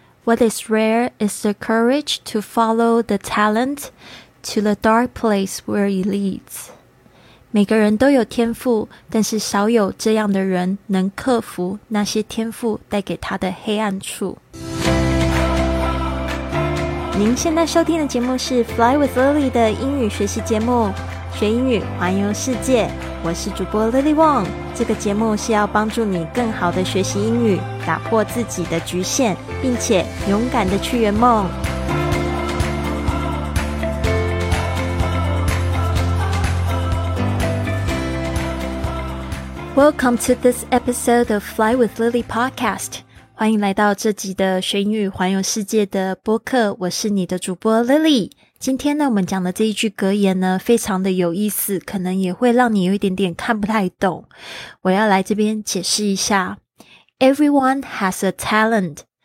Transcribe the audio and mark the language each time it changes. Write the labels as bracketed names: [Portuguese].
[English] What is rare is the courage to follow the talent to the dark place where it leads. [Chinese] 每个人都有天赋，但是少有这样的人能克服那些天赋带给他的黑暗处。您现在收听的节目是 Fly with Lily 的英语学习节目，学英语环游世界。我是主播 Lily Wong， 这个节目是要帮助你更好的学习英语，打破自己的局限，并且勇敢的去圆梦。 [English] Welcome to this episode of Fly with Lily podcast. [Chinese] 欢迎来到这集的学英语环游世界的播客，我是你的主播 Lily。今天呢，我们讲的这一句格言呢，非常的有意思，可能也会让你有一点点看不太懂。我要来这边解释一下。 [English] Everyone has a talent.